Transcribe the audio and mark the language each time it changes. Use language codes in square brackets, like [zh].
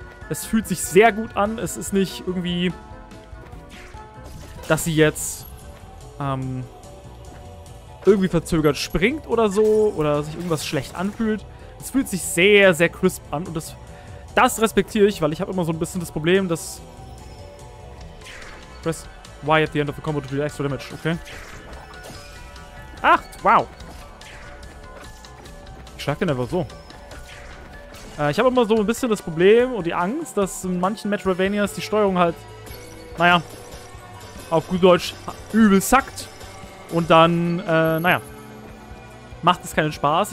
[de] Es fühlt sich sehr gut an. Es ist nicht irgendwie... Dass sie jetzt... irgendwie verzögert springt oder so. Oder sich irgendwas schlecht anfühlt. Es fühlt sich sehr, sehr crisp an. Und das respektiere ich, weil ich habe immer so ein bisschen das Problem, dass... [en] Press Y at the end of the combo to do extra damage. [de] Okay. Ach, wow. Ich schlag den einfach so. Ich habe immer so ein bisschen das Problem und die Angst, dass in manchen Metroidvanias die Steuerung halt, naja, auf gut Deutsch übel sackt. Und dann, naja, macht es keinen Spaß.